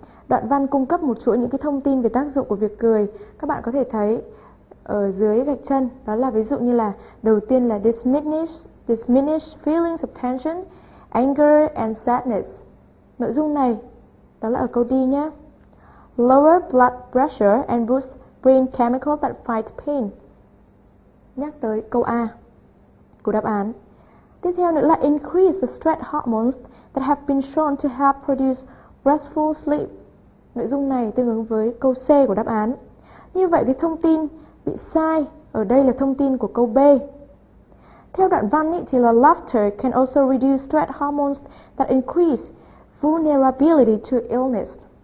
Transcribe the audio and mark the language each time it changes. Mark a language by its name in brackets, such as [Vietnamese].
[Vietnamese] Đoạn văn cung cấp một chuỗi những cái thông tin về tác dụng của việc cười. Các bạn có thể thấy ở dưới gạch chân, đó là ví dụ như là đầu tiên là [English] diminish feelings of tension, anger and sadness. [Vietnamese] Nội dung này, đó là ở câu D nhé. [English] Lower blood pressure and boost brain chemicals that fight pain. [Vietnamese] Nhắc tới câu A của đáp án. Tiếp theo nữa là [English] increase the stress hormones that have been shown to help produce restful sleep. [Vietnamese] Nội dung này tương ứng với câu C của đáp án. Như vậy cái thông tin bị sai ở đây là thông tin của câu B. Theo đoạn văn ý, thì là [English] laughter can also reduce stress hormones that increase vulnerability to illness.